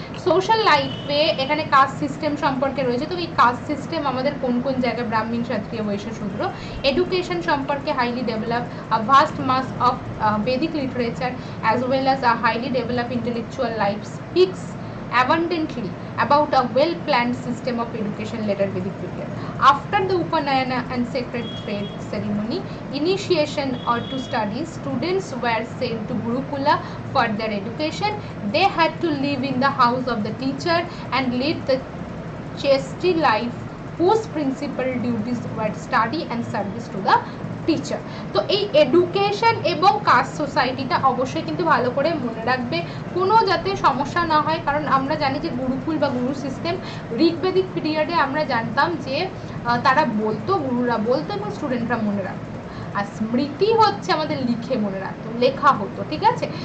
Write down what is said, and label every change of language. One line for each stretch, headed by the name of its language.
Bangla: Social লাইফে এখানে caste system সম্পর্কে রয়েছে, তো এই কাস্ট সিস্টেম আমাদের কোন কোন জায়গায়, ব্রাহ্মণ ক্ষত্রিয় বৈশ্য শূদ্র।
English: Education সম্পর্কে highly develop, a vast mass of Vedic literature as well as a highly develop intellectual life speaks abundantly about a well planned system of education later Vedic period. After the Upanayana and sacred faith ceremony initiation or to studies, students were sent to Gurukula for their education. They had to live in the house of the teacher and lead the chastity life whose principal duties were study and service to the teacher.
Bangla: তো এই education এবং caste সোসাইটিটা অবশ্যই কিন্তু ভালো করে মনে রাখবে, কোনো যাতে সমস্যা না হয়। কারণ আমরা জানি যে গুরুকুল বা গুরু সিস্টেম ঋগ্বেদিক পিরিয়ডে আমরা জানতাম যে তারা বলতো, গুরুরা বলতো এবং স্টুডেন্টরা মনে রাখতো, আর স্মৃতি হচ্ছে আমাদের লিখে মনে রাখতো, লেখা হতো, ঠিক আছে।